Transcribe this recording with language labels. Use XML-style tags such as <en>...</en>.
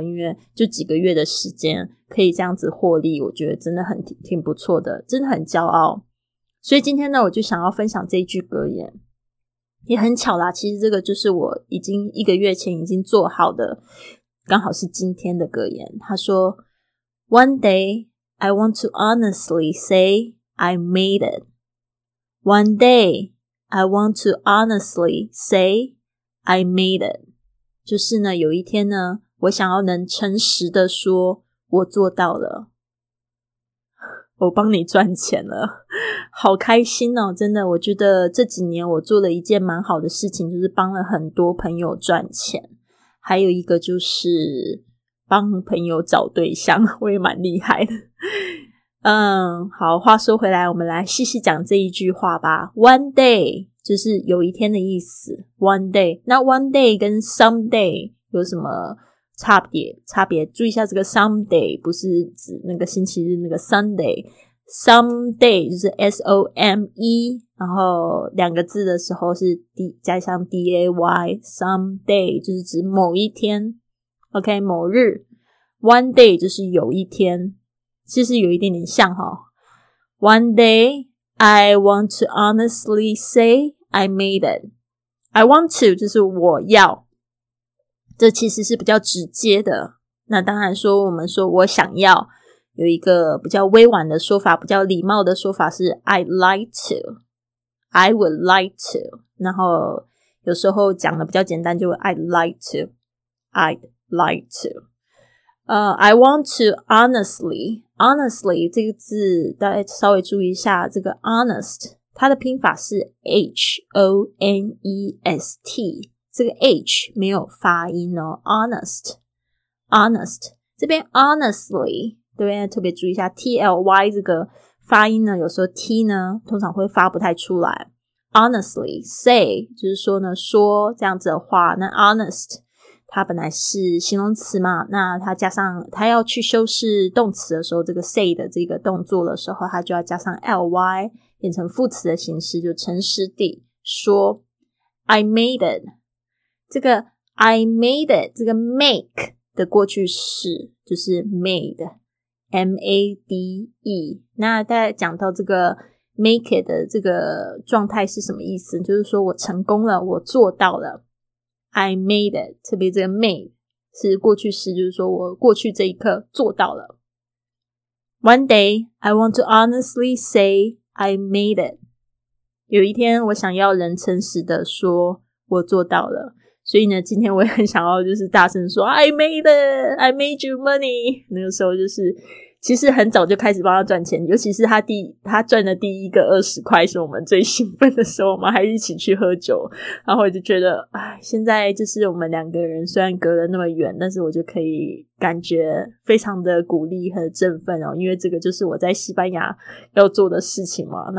<zh>因为就几个月的时间可以这样子获利，我觉得真的很挺不错的，真的很骄傲。所以今天呢，我就想要分享这一句格言。也很巧啦，其实这个就是我已经一个月前已经做好的，刚好是今天的格言。</zh> <en>他说 One day I want to honestly say I made it. One day I want to honestly say I made it.</en> <zh>就是呢，有一天呢，我想要能诚实的说我做到了，我帮你赚钱了。好开心哦，真的，我觉得这几年我做了一件蛮好的事情，就是帮了很多朋友赚钱，还有一个就是帮朋友找对象，我也蛮厉害的。好，话说回来，我们来细细讲这一句话吧。One day 就是有一天的意思， One day。那 One day 跟 Someday 有什么差别？注意一下，这个 Someday 不是指那个星期日那个 Sunday， Someday 就是 S-O-M-E， 然后两个字的时候是 加上 D-A-Y， Someday 就是指某一天， OK， 某日。 One day 就是有一天，其实有一点点像齁。</zh> <en>One day I want to honestly say I made it.</en> <zh>I want to 就是我要，这其实是比较直接的。那当然说我们说我想要，有一个比较委婉的说法，比较礼貌的说法是</zh> <en>I'd like to， I would like to，</en> <zh>然后有时候讲的比较简单就 I'd like to， I'd like to。 I want to honestly， honestly 这个字大家稍微注意一下，这个 honest 它的拼法是 H-O-N-E-S-T， 这个 H 没有发音哦， honest， honest， 这边 honestly 这边特别注意一下 T-L-Y 这个发音呢，有时候 T 呢通常会发不太出来。 Honestly say 就是说呢，说这样子的话，那 honest 它本来是形容词嘛，那它加上它要去修饰动词的时候，这个 say 的这个动作的时候，它就要加上 ly 变成副词的形式，就诚实地说。</zh> <en>I made it，</en> <zh>这个 I made it 这个 make 的过去式就是 madeMADE。那大家讲到这个 make it 的这个状态是什么意思，就是说我成功了，我做到了。</zh> <en>I made it，</en> <zh>特别这个 made 是过去式，就是说我过去这一刻做到了。</zh> <en>One day I want to honestly say I made it，</en> <zh>有一天我想要人诚实的说我做到了。所以呢，今天我也很想要就是大声说</zh> <en>I made it, I made you money。</en> <zh>那个时候就是其实很早就开始帮他赚钱，尤其是他赚的第一个20块是我们最兴奋的时候，我们还一起去喝酒，然后我就觉得现在就是我们两个人虽然隔了那么远，但是我就可以感觉非常的鼓励和振奋哦，因为这个就是我在西班牙要做的事情嘛。</zh>